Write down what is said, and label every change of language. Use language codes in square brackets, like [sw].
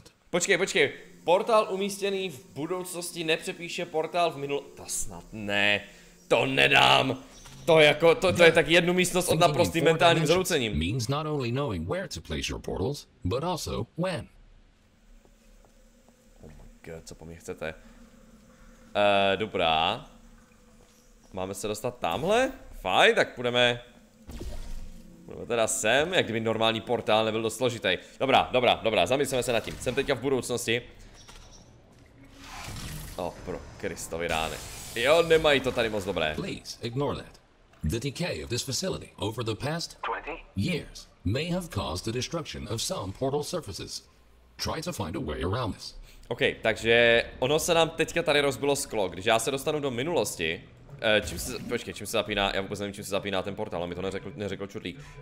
[cs] Počkej. Portál umístěný v budoucnosti nepřepíše portál v minulosti. To snad ne. To nedám. To je tak jednu místnost od naprostým mentálním zhroucením. [en] Means not only knowing where to place your portals, but also when. Oh my god, [cs] co po mě chcete? Dobrá. Máme se dostat tamhle? Fajn, tak půjdeme. Budeme teda sem, jak kdyby normální portál nebyl dost složitý. Dobrá, zamysleme se nad tím. Jsem teďka v budoucnosti. O, pro Kristovi rány. Jo, nemají to tady moc dobré. [en] Please ignore that. The decay of this facility over the past 20 years may have caused the destruction of some portal surfaces. Try to find a way around this. [cs] OK, takže ono se nám teďka tady rozbilo sklo, když já se dostanu do minulosti. Čím se zapíná? Já vůbec nevím, čím se zapíná ten portál, on mi to neřekl čudlík.